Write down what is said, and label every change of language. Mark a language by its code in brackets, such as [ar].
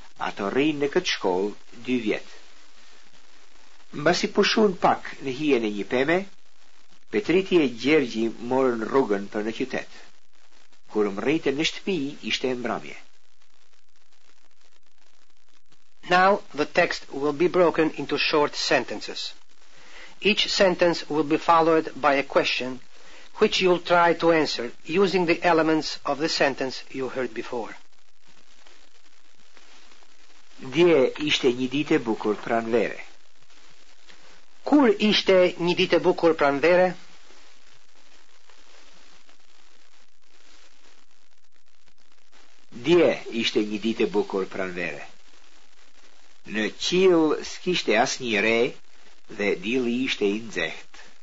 [sq] Ato rrinë në këtë shkollë 2 vjet. Mbasi pushuan pak në hijen e një peme, Petriti e Gjergji morën rrugën për në qytet. Kur mrritën në shtëpi, ishte e mbrëmje. [en] Now the text will be broken into short sentences. Each sentence will be followed by a question which you'll try to answer using the elements of the sentence you heard before. [sq] Dje ishte një ditë e bukur pranvere. Kur ishte një ditë e bukur pranvere? Dje ishte një ditë e bukur pranvere. Në qiell s'kishte asnjë re dhe dielli ishte i nxehtë.